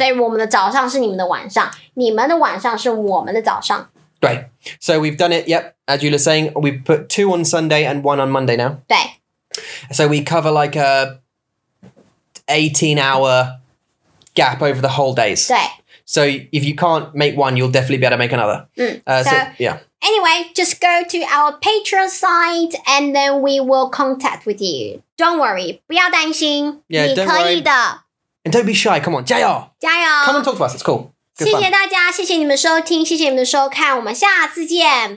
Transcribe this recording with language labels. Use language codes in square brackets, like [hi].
[zh] 所以我们的早上是你们的晚上你们的晚上是我们的早上 [en] 对 So we've done it, yep, as you were saying We've put two on Sunday and one on Monday now [zh] 对 [en] So we cover like a 18 hour gap over the whole days [zh] 对 [en] So if you can't make one, you'll definitely be able to make another、 so yeah Anyway, just go to our Patreon site and then we will contact with you. Don't worry, [zh] 不要担心 [en] yeah, [zh] 你可以的 [en] And don't be shy, come on, [zh] 加油加油 [en] Come and talk to us, it's cool、Good、 [zh] 谢谢大家 [en] fun. [zh] 谢谢你们收听谢谢你们收看我们下次见